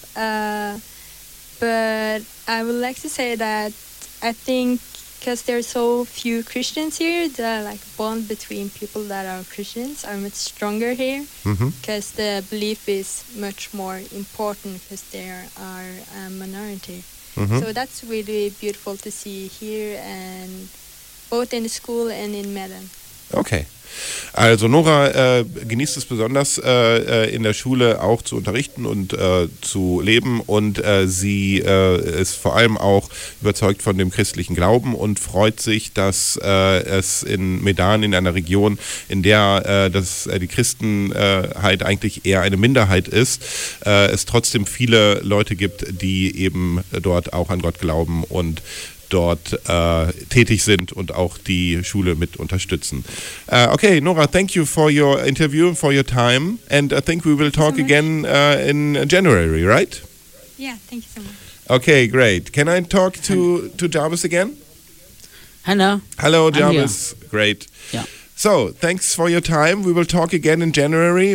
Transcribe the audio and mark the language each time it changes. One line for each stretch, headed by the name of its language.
English: But I would like to say that I think because there are so few Christians here, the like bond between people that are Christians are much stronger here, because the belief is much more important because they are a minority. So that's really beautiful to see here, and both in the school and in Medan. Okay.
German: Also Nora genießt es besonders, in der Schule auch zu unterrichten und zu leben, und sie ist vor allem auch überzeugt von dem christlichen Glauben und freut sich, dass es in Medan, in einer Region, in der die Christenheit eigentlich eher eine Minderheit ist, es trotzdem viele Leute gibt, die eben dort auch an Gott glauben und dort tätig sind und auch die Schule mit unterstützen.
English: Okay, Nora, thank you for your interview, for your time, and I think we will talk again in January, right? Yeah, thank you so much. Okay, great. Can I talk to Jarvis again? Hello. Hello, Jarvis. Great. Yeah. So, thanks for your time. We will talk again in January.